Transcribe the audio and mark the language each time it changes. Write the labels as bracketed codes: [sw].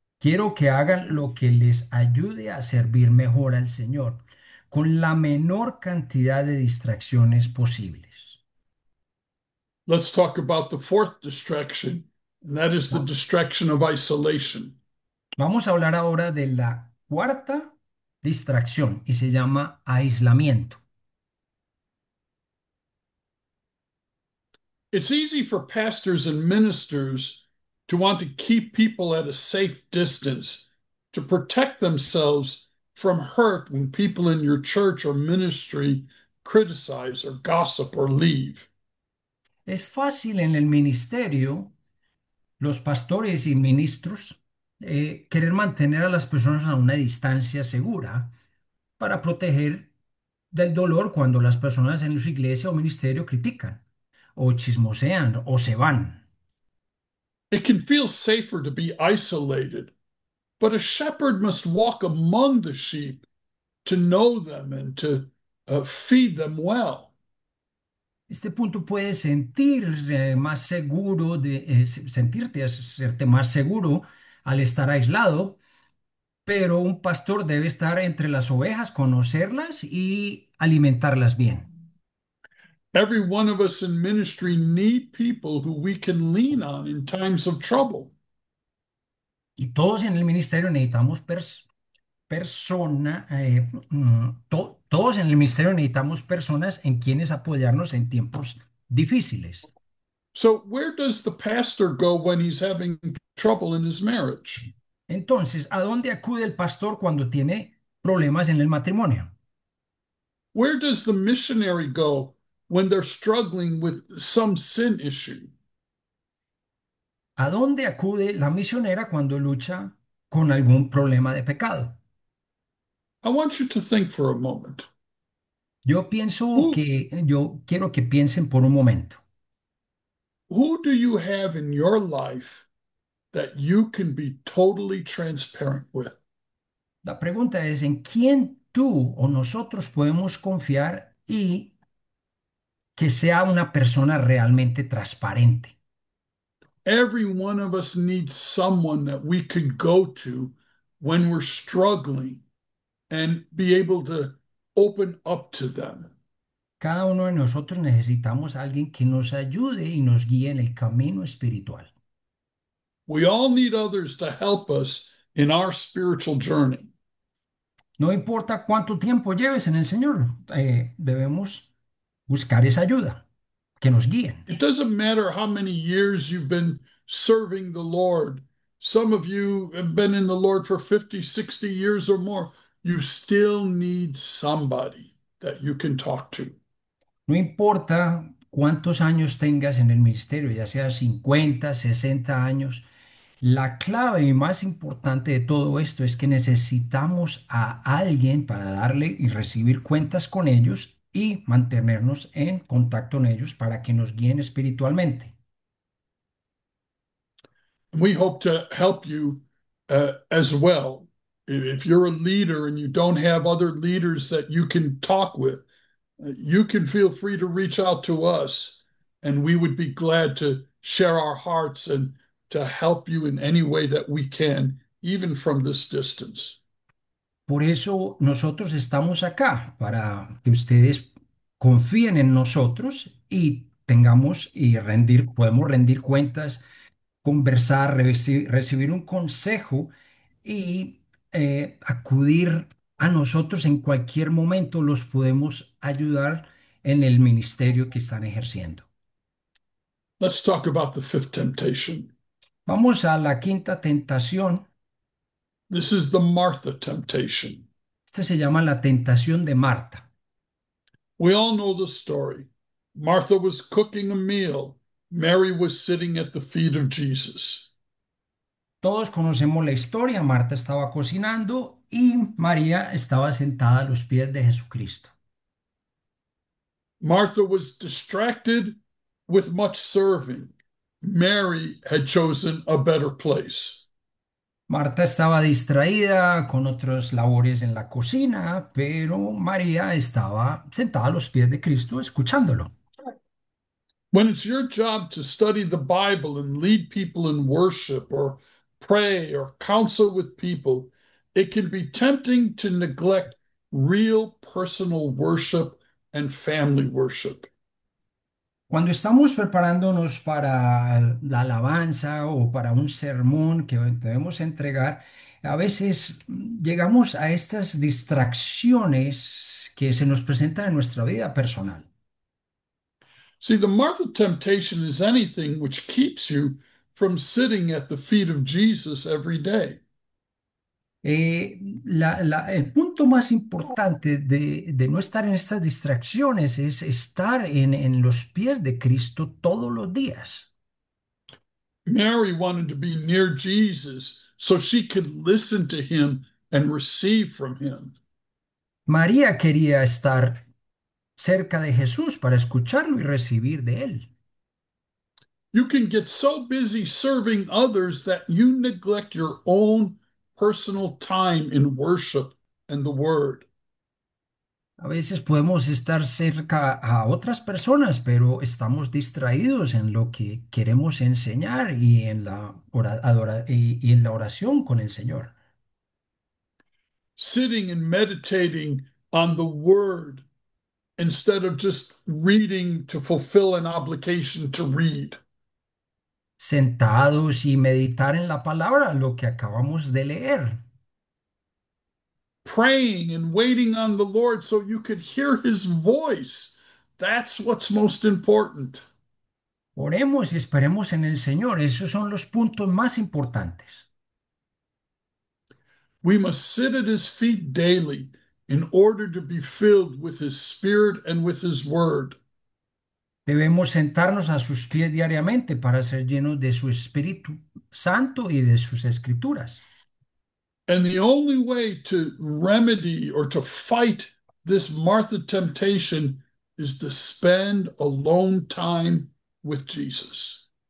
[es] Quiero que hagan lo que les ayude a servir mejor al Señor, con la menor cantidad de distracciones posibles. [en] Let's talk about the fourth distraction, and that is the distraction of isolation. [es] Vamos a hablar ahora de la cuarta distracción y se llama aislamiento. [en] It's easy for pastors and ministers to want to keep people at a safe distance to protect themselves from hurt when people in your church or ministry criticize or gossip or leave. [es] Es fácil en el ministerio, los pastores y ministros, querer mantener a las personas a una distancia segura para proteger del dolor cuando las personas en su iglesia o ministerio critican, o chismosean, o se van. [en] It can feel safer to be isolated, but a shepherd must walk among the sheep to know them and to feed them well. [es] Este punto puede sentir más seguro de sentirte, hacerte más seguro al estar aislado, pero un pastor debe estar entre las ovejas, conocerlas y alimentarlas bien. [en] Every one of us in ministry need people who we can lean on in times of trouble. [es] Y todos en el ministerio necesitamos personas. Todos en el ministerio necesitamos personas en quienes apoyarnos en tiempos difíciles. [en] So, where does the pastor go when he's having trouble in his marriage? [es] Entonces, ¿a dónde acude el pastor cuando tiene problemas en el matrimonio? [en] Where does the missionary go when they're struggling with some sin issue? [es] ¿A dónde acude la misionera cuando lucha con algún problema de pecado? [en] I want you to think for a moment. [es] Yo pienso que yo quiero que piensen por un momento. [en] Who do you have in your life that you can be totally transparent with. [es] La pregunta es, ¿en quién tú o nosotros podemos confiar y que sea una persona realmente transparente? [en] Every one of us needs someone that we can go to when we're struggling and be able to open up to them. [es] Cada uno de nosotros necesitamos a alguien que nos ayude y nos guíe en el camino espiritual. [en] We all need others to help us in our spiritual journey. [es] No importa cuánto tiempo lleves en el Señor, debemos buscar esa ayuda, que nos guíen. [en] It doesn't matter how many years you've been serving the Lord. Some of you have been in the Lord for 50, 60 years or more. You still need somebody that you can talk to. [es] No importa cuántos años tengas en el ministerio, ya sea 50, 60 años, la clave y más importante de todo esto es que necesitamos a alguien para darle y recibir cuentas con ellos y mantenernos en contacto con ellos para que nos guíen espiritualmente. [en] We hope to help you as well. If you're a leader and you don't have other leaders that you can talk with, you can feel free to reach out to us, and we would be glad to share our hearts and to help you in any way that we can, even from this distance. [es] Por eso nosotros estamos acá, para que ustedes confíen en nosotros y tengamos y rendir, podemos rendir cuentas, conversar, recibir un consejo y acudir a nosotros en cualquier momento. Los podemos ayudar en el ministerio que están ejerciendo. [en] Let's talk about the fifth temptation. [es] Vamos a la quinta tentación. [en] This is the Martha temptation. [es] Esta se llama la tentación de Marta. [en] We all know the story. Martha was cooking a meal. Mary was sitting at the feet of Jesus. [es] Todos conocemos la historia. Marta estaba cocinando y María estaba sentada a los pies de Jesucristo. [en] Martha was distracted with much serving. Mary had chosen a better place. [es] Marta estaba distraída con otras labores en la cocina, pero María estaba sentada a los pies de Cristo escuchándolo. [en] When it's your job to study the Bible and lead people in worship or pray or counsel with people, it can be tempting to neglect real personal worship and family worship. [es] Cuando estamos preparándonos para la alabanza o para un sermón que debemos entregar, a veces llegamos a estas distracciones que se nos presentan en nuestra vida personal. [en] See, the Martha temptation is anything which keeps you from sitting at the feet of Jesus every day. [es] El punto más importante de no estar en estas distracciones es estar en los pies de Cristo todos los días. [en] Mary wanted to be near Jesus so she could listen to him and receive from him. [es] María quería estar cerca de Jesús para escucharlo y recibir de él. [en] You can get so busy serving others that you neglect your own personal time in worship and the word. [es] A veces podemos estar cerca a otras personas, pero estamos distraídos en lo que queremos enseñar y en la y en la oración con el Señor. [en] Sitting and meditating on the word instead of just reading to fulfill an obligation to read. [es] Sentados y meditar en la palabra, lo que acabamos de leer. [en] Praying and waiting on the Lord so you could hear his voice. That's what's most important. [es] Oremos y esperemos en el Señor. Esos son los puntos más importantes. [en] We must sit at his feet daily in order to be filled with his spirit and with his word. [es] Debemos sentarnos a sus pies diariamente para ser llenos de su Espíritu Santo y de sus Escrituras. [en] And the only way to remedy or to fight this Martha temptation is to spend alone time with Jesus.